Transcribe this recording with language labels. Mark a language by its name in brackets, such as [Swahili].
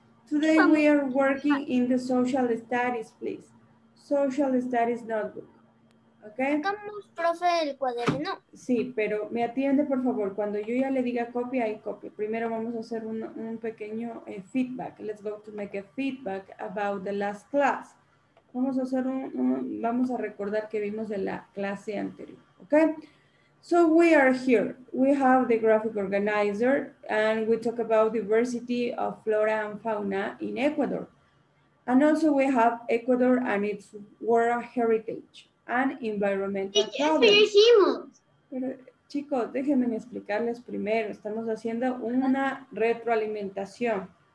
[English] Today we are working in the social studies, please. Social studies notebook. Okay. [Spanish] Estamos, profe, el cuaderno. Sí, pero me atiende, por favor. Cuando yo ya le diga copy, hay copy. Primero vamos a hacer un pequeño feedback. [English] Let's go to make a feedback about the last class. [Spanish] Vamos a hacer vamos a recordar que vimos de la clase anterior, okay? [English] So we are here. We have the graphic organizer and we talk about diversity of flora and fauna in Ecuador. And also we have Ecuador and its world heritage and environmental problems. [Spanish] Pero chicos, déjenme explicarles primero. Estamos haciendo una retroalimentación.